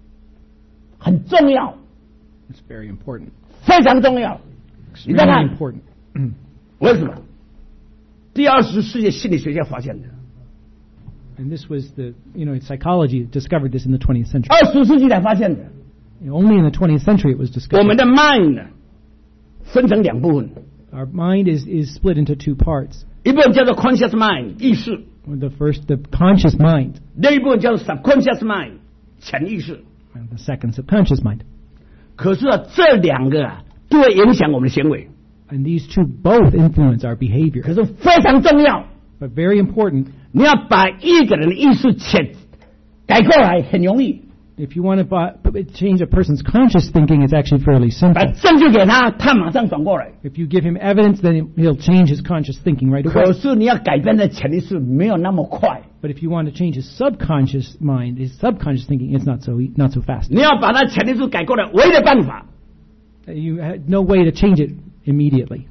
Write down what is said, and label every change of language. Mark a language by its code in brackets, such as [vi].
[zh] 他不要替我翻。我讲中文。第二二十世纪发现什么东西？你可以改变一个人的心思意念，接着改变一个人的mind来改变这个人。很重要。 [en] It's very important. [zh] 非常重要。你看看，为什么？第二十世纪心理学家发现的。 [en] And this was the, you know, psychology discovered this in the 20th century. [zh] 二十世纪才发现的。 [en] Only in the 20th century it was discovered. [zh] 我们的 mind 分成两部分。 [en] Our mind is split into two parts. [zh] 一部分叫做 conscious mind 意识。 [en] The first, the conscious mind. [zh] 另一部分叫做 subconscious mind 潜意识。 [en] And the second, subconscious mind. [zh] 可是这两个都会影响我们的行为。 [en] And these two both influence our behavior. [zh] 可是非常重要。 [en] But very important. [zh] 你要把一个人的意识改过来很容易。 [en] If you want to change a person's conscious thinking, it's actually fairly simple. [zh] 把证据给他，他马上转过来。 [en] If you give him evidence, then he'll change his conscious thinking right away. [zh] 可是你要改变的潜意识没有那么快。 [en] But if you want to change his subconscious mind, his subconscious thinking, it's not so fast. [zh] 你要把他潜意识改过来，唯一的办法。 [en] You had no way to change it immediately.